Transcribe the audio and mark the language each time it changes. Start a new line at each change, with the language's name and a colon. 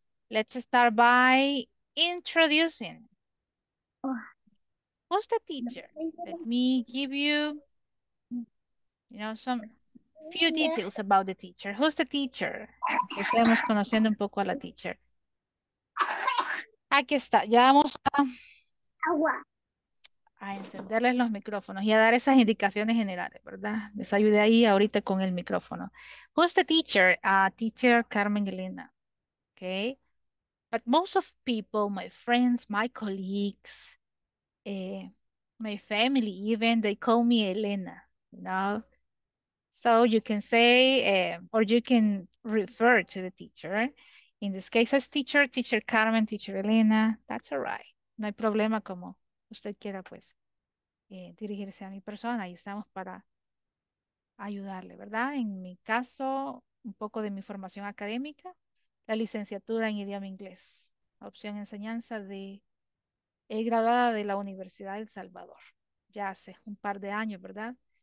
English: Let's start by introducing. Who's the teacher? Let me give you know, some few details about the teacher. Who's the teacher?
Spanish: Empecemos conociendo un poco a la teacher. Aquí está, ya vamos a encenderles los micrófonos y a dar esas indicaciones generales, ¿verdad? Les ayudé ahí ahorita con el micrófono.
English: Who's the teacher? Teacher Carmen Elena. Okay. But most of people, my friends, my colleagues, my family, even, they call me Elena, you know? So you can say, or you can refer to the teacher. In this case, as teacher, teacher Carmen, teacher Elena. That's all right.
Spanish: No hay problema como usted quiera, pues, dirigirse a mi persona. Y estamos para ayudarle, ¿verdad? En mi caso, un poco de mi formación académica, la licenciatura en idioma inglés, opción enseñanza de, graduada de la Universidad del Salvador, ya hace un par de años, ¿verdad?